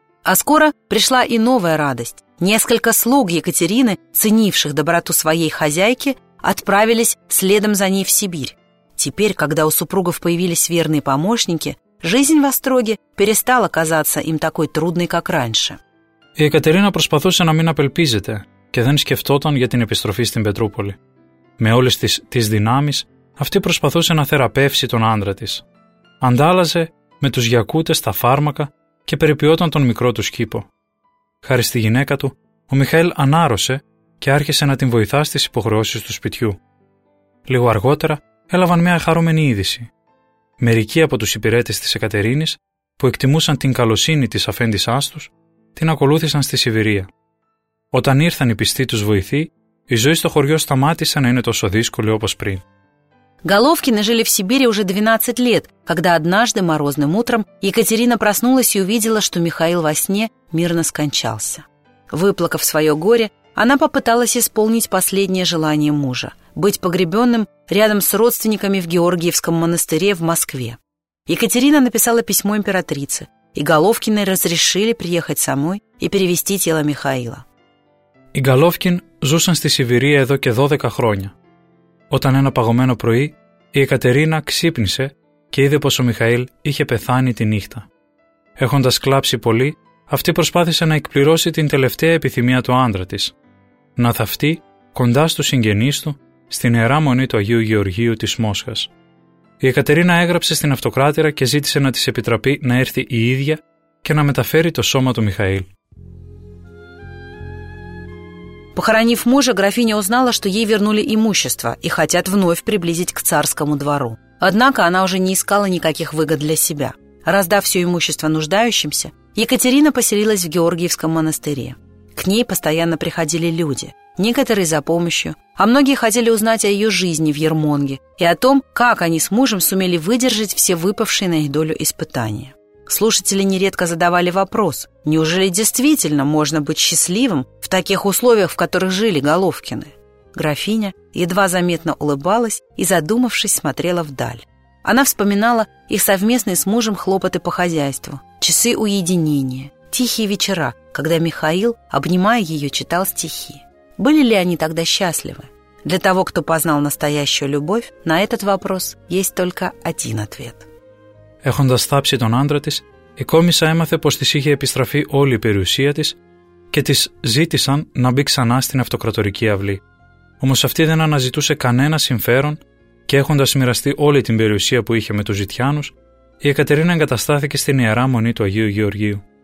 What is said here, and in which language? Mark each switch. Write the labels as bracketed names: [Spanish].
[Russian] А скоро пришла и новая радость. Несколько слуг Екатерины, ценивших доброту своей хозяйки, отправились следом за ней в Сибирь. Теперь, когда у супругов появились верные помощники, жизнь в Остроге перестала казаться им такой трудной, как раньше. [Greek] Η Εκατερίνα προσπαθούσε να μην απελπίζεται και δεν σκεφτόταν για την επιστροφή στην Πετρούπολη. Με όλες τις δυνάμεις, αυτή προσπαθούσε να θεραπεύσει τον άντρα της. Αντάλλαζε με τους γιακούτες τα φάρμακα και περιποιόταν τον μικρό του κήπο. Χάρη στη γυναίκα του, ο Μιχαήλ ανάρρωσε και άρχισε να την βοηθά στις υποχρεώσεις του σπιτιού. Λίγο αργότερα έλαβαν μια χαρούμενη είδηση. Μερικοί από τους υπηρέτες της Εκατερίνης, που εκτιμούσαν την καλοσύνη της αφέντησάς τους, την ακολούθησαν στη Σιβηρία. Όταν ήρθαν οι πιστοί τους βοηθοί, η ζωή στο χωριό σταμάτησε να είναι τόσο δύσκολη όπως πριν. [Russian] Головкины жили в Сибири уже 12 лет, когда однажды морозным утром Екатерина проснулась и увидела, что Михаил во сне мирно скончался. Выплакав свое горе, она попыталась исполнить последнее желание мужа – быть погребенным рядом с родственниками в Георгиевском монастыре в Москве. Екатерина написала письмо императрице, и Головкиной разрешили приехать самой и перевести тело Михаила. [Greek] Οι Γκαλόφκιν ζούσαν στη Σιβηρία εδώ και 12 χρόνια. Όταν ένα παγωμένο πρωί, η Εκατερίνα ξύπνησε και είδε πως ο Μιχαήλ είχε πεθάνει τη νύχτα. Έχοντας κλάψει πολύ, αυτή προσπάθησε να εκπληρώσει την τελευταία επιθυμία του άντρα της. Να θαυτεί κοντά στους συγγενείς του στην Ιερά Μονή του Αγίου Γεωργίου της Μόσχας. Η Εκατερίνα έγραψε στην Αυτοκράτηρα και ζήτησε να της επιτραπεί να έρθει η ίδια και να μεταφέρει το σώμα του Μιχαήλ. [Russian] Похоронив мужа, графиня узнала, что ей вернули имущество и хотят вновь приблизить к царскому двору. Однако она уже не искала никаких выгод для себя. Раздав все имущество нуждающимся, Екатерина поселилась в Георгиевском монастыре. К ней постоянно приходили люди, некоторые за помощью, а многие хотели узнать о ее жизни в Ермонге и о том, как они с мужем сумели выдержать все выпавшие на их долю испытания. Слушатели нередко задавали вопрос, неужели действительно можно быть счастливым в таких условиях, в которых жили Головкины? Графиня едва заметно улыбалась и, задумавшись, смотрела вдаль. Она вспоминала их совместные с мужем хлопоты по хозяйству, часы уединения, тихие вечера, когда Михаил, обнимая ее, читал стихи. Были ли они тогда счастливы? Для того, кто познал настоящую любовь, на этот вопрос есть только один ответ. [Greek] Έχοντας θάψει τον άντρα της, η κόμισσα έμαθε πως της είχε επιστραφεί όλη η περιουσία της και της ζήτησαν να μπει ξανά στην αυτοκρατορική αυλή. Όμως αυτή δεν αναζητούσε κανένα συμφέρον και έχοντας μοιραστεί όλη την περιουσία που είχε με τους Ζητιάνους, η Εκατερίνα εγκαταστάθηκε στην Ιερά Μονή του Αγίου Γεωργίου.